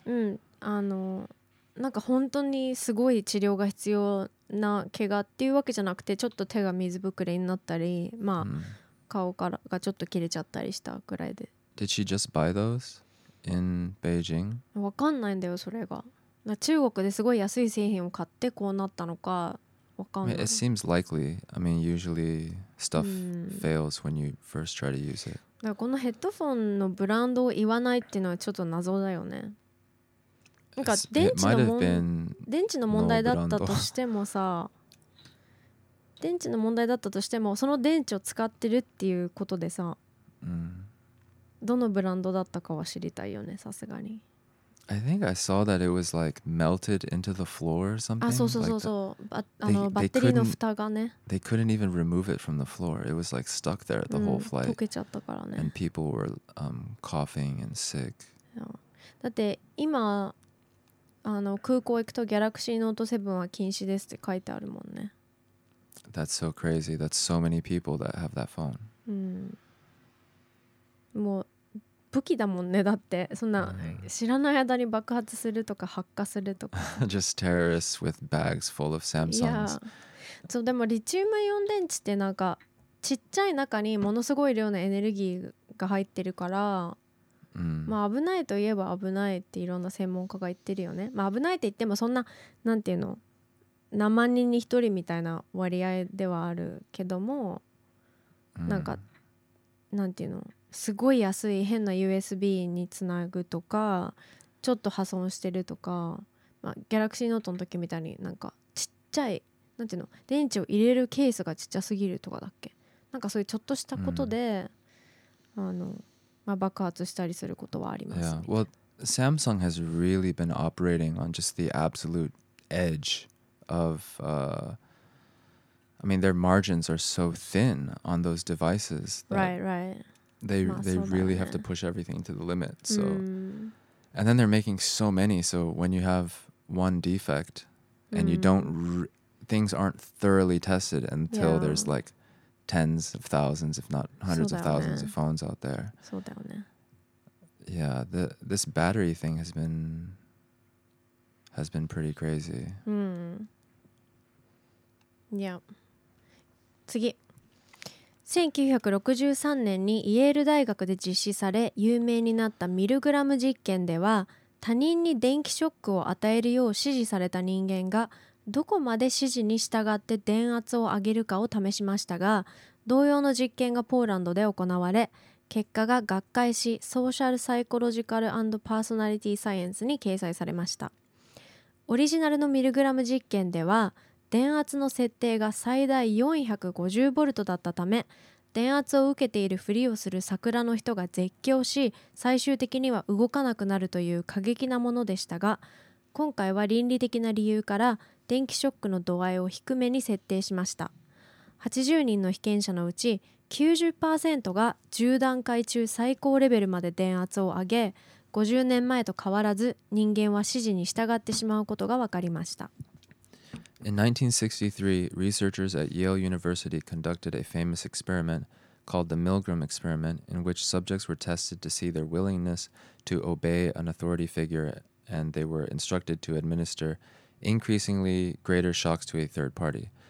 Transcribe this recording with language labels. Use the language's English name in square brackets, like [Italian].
[Japanese] うん、あの、なんか本当にすごい治療が必要な怪我っていうわけじゃなくて、ちょっと手が水ぶくれになったり、まあ、顔からがちょっと切れちゃったりしたくらいで。 [English] Did she just buy those in Beijing? [Japanese] わかんないんだよ、それが。中国ですごい安い製品を買ってこうなったのか、わかんない。 [English] I mean, it seems likely. I mean, usually stuff fails when you first try to use it. [Japanese] だからこのヘッドフォンのブランドを言わないっていうのはちょっと謎だよね。なんか電池の問題だったとしてもさ、電池の問題だったとしても、その電池を使ってるっていうことでさ、どのブランドだったかは知りたいよね、さすがに。 [English] I think I saw that it was like melted into the floor or something. [Japanese] あ、そうそうそうそう、あの、バッテリーの蓋がね、 [English] they couldn't even remove it from the floor. It was like stuck there the whole flight. [Japanese] 溶けちゃったからね。 [English] And people were coughing and sick. [Japanese] だって今、あの、空港行くとギャラクシーノート7は禁止ですって書いてあるもんね。 [English] That's so crazy. That's so many people that have that phone. [Japanese] もう武器だもんね。だってそんな知らない間に爆発するとか発火するとか。 [English] Just terrorists with bags full of Samsungs. [Japanese] そうでもリチウムイオン電池ってなんかちっちゃい中にものすごい量のエネルギーが入ってるから。まあ、危ないといえば危ないっていろんな専門家が言ってるよね。まあ、危ないって言ってもそんななんていうの何万人に一人みたいな割合ではあるけどもなんかなんていうのすごい安い変な USB につなぐとかちょっと破損してるとか、まあ、ギャラクシーノートの時みたいになんかちっちゃいなんていうの電池を入れるケースがちっちゃすぎるとかだっけなんかそういうちょっとしたことで、あの [English] Yeah. Well, Samsung has really been operating on just the absolute edge of, I mean, their margins are so thin on those devices. Right. They really have to push everything to the limit. So, and then they're making so many. So when you have one defect and you don't, things aren't thoroughly tested until there's like, tens of thousands, if not hundreds of thousands of phones out there. [Japanese] そうだよね。 [English] Yeah, this battery thing has been pretty crazy. [Japanese] Yeah. 次。 1963年にイェール大学で実施され、有名になったミルグラム実験では、他人に電気ショックを与えるよう指示された人間が、どこまで指示に従って電圧を上げるかを試しましたが、同様の実験がポーランドで行われ、結果が学会誌ソーシャルサイコロジカル&パーソナリティサイエンスに掲載されました。オリジナルのミルグラム実験では、電圧の設定が最大450ボルトだったため、電圧を受けているふりをする桜の人が絶叫し、最終的には動かなくなるという過激なものでしたが、今回は倫理的な理由から電気ショックの度合いを低めに設定しました。 80人の被験者のうち 90% が10段階中最高レベルまで電圧を上げ、50年前と変わらず人間は指示に従ってしまうことが分かりました。 [English] In 1963, researchers at Yale University conducted a famous experiment called the Milgram experiment, in which subjects were tested to see their willingness to obey an authority figure, and they were instructed to administer increasingly greater shocks to a third party.